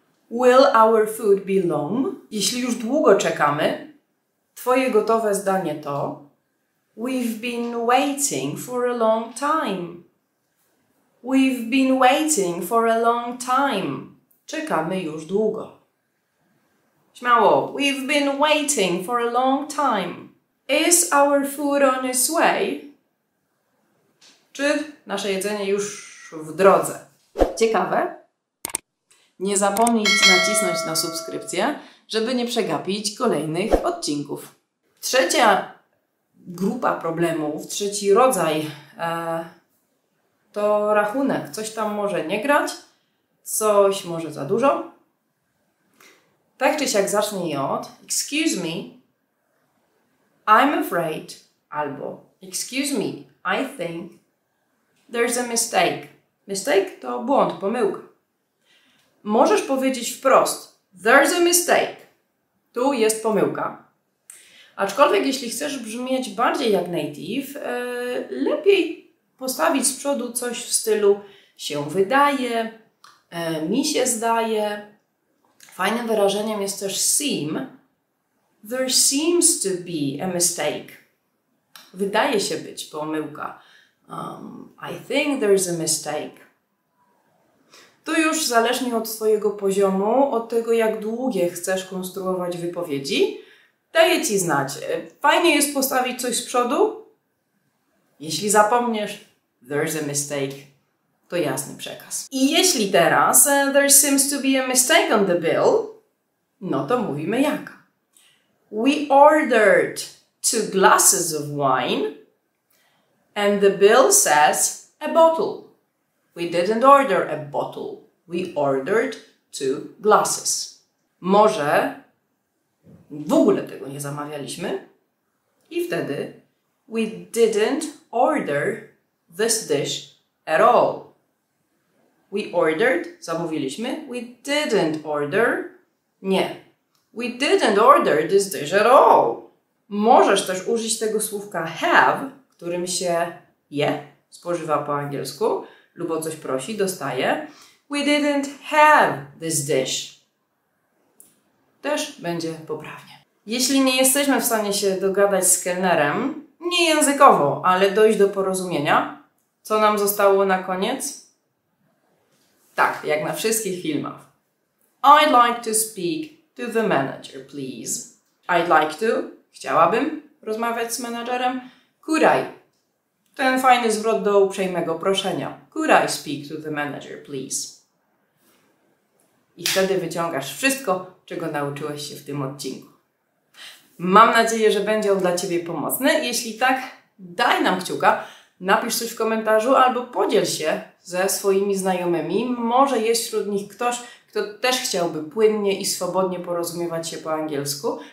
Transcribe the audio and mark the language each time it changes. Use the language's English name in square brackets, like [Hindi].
[English] Will our food be long? [Polish] Jeśli już długo czekamy, twoje gotowe zdanie to [English] we've been waiting for a long time. We've been waiting for a long time. [Polish] Czekamy już długo. Śmiało. [English] We've been waiting for a long time. Is our food on its way? [Polish] Czy nasze jedzenie już w drodze? Ciekawe? Nie zapomnij nacisnąć na subskrypcję, żeby nie przegapić kolejnych odcinków. Trzecia grupa problemów, trzeci rodzaj to rachunek. Coś tam może nie grać, coś może za dużo. Tak czy siak zacznij od [English] Excuse me, I'm afraid, [Polish] albo [English] Excuse me, I think there's a mistake. [Polish] Mistake to błąd, pomyłka. Możesz powiedzieć wprost, [English] there's a mistake, [Polish] tu jest pomyłka. Aczkolwiek jeśli chcesz brzmieć bardziej jak native, lepiej postawić z przodu coś w stylu się wydaje, mi się zdaje. Fajnym wyrażeniem jest też seem. [English] There seems to be a mistake. [Polish] Wydaje się być pomyłka. [English] I think there's a mistake. [Polish] To już zależnie od Twojego poziomu, od tego, jak długie chcesz konstruować wypowiedzi. Daję Ci znać. Fajnie jest postawić coś z przodu. Jeśli zapomniesz, [English] there's a mistake, [Polish] to jasny przekaz. I jeśli teraz [English] there seems to be a mistake on the bill, [Polish] no to mówimy jak. [English] We ordered 2 glasses of wine and the bill says a bottle. We didn't order a bottle. We ordered 2 glasses. [Polish] Może w ogóle tego nie zamawialiśmy. I wtedy [English] we didn't order this dish at all. We ordered, [Polish] zamówiliśmy. [English] We didn't order. [Polish] Nie. [English] We didn't order this dish at all. [Polish] Możesz też użyć tego słówka have, którym się je, spożywa po angielsku, lub o coś prosi, dostaje. [English] We didn't have this dish. [Polish] Też będzie poprawnie. Jeśli nie jesteśmy w stanie się dogadać z kelnerem, nie językowo, ale dojść do porozumienia, co nam zostało na koniec? Tak, jak na wszystkich filmach. [English] I'd like to speak to the manager, please. I'd like to, [Polish] chciałabym rozmawiać z menadżerem. [English] Could I? [Polish] Ten fajny zwrot do uprzejmego proszenia. [English] Could I speak to the manager, please? [Polish] I wtedy wyciągasz wszystko, czego nauczyłeś się w tym odcinku. Mam nadzieję, że będzie on dla Ciebie pomocny. Jeśli tak, daj nam kciuka, napisz coś w komentarzu albo podziel się ze swoimi znajomymi. Może jest wśród nich ktoś, kto też chciałby płynnie i swobodnie porozumiewać się po angielsku.